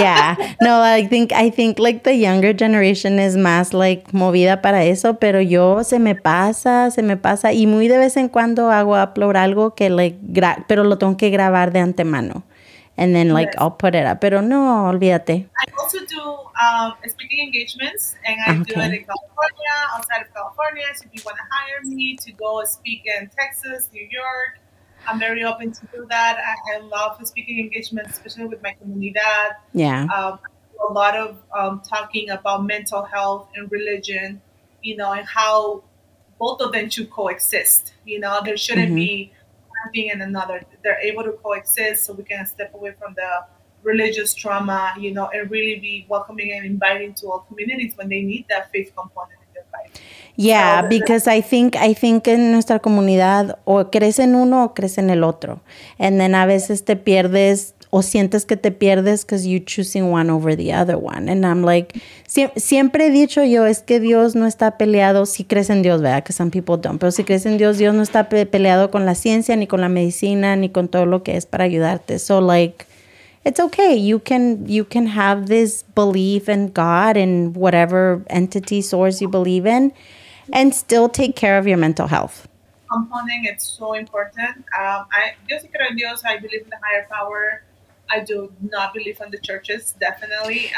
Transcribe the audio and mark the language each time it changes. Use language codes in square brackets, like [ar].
[en] Yeah. No, I think like the younger generation is [es] más like movida para eso, pero yo se me pasa y muy de vez en cuando hago upload algo que like pero lo tengo que grabar de antemano. [en] And then like yes. I'll put it up, [es] pero no, olvídate. [en] I also do speaking engagements and I do it in California, outside of California, so if you want to hire me to go speak in Texas, New York, I'm very open to do that. I love speaking engagements, especially with my comunidad. Yeah. I do a lot of talking about mental health and religion, you know, and how both of them should coexist. You know, there shouldn't be one thing and another. They're able to coexist so we can step away from the religious trauma, you know, and really be welcoming and inviting to all communities when they need that faith component. Yeah, because I think [es] en nuestra comunidad o crecen uno o crecen el otro. [en] And then [es] a veces te pierdes [en] o sientes que te pierdes because you're choosing one over the other one. And I'm like, [es] siempre he dicho yo, es que Dios no está peleado, si crees en Dios, ¿verdad? Que [en] some people don't. [es] Pero si crees en Dios, Dios no está peleado con la ciencia, ni con la medicina, ni con todo lo que es para ayudarte. [en] So like, it's okay. You can have this belief in God and whatever entity source you believe in. and still take care of your mental health. Compounding is so important. [es] Dios y creo en Dios, [en] I believe in the higher power. I do not believe in the churches, definitely.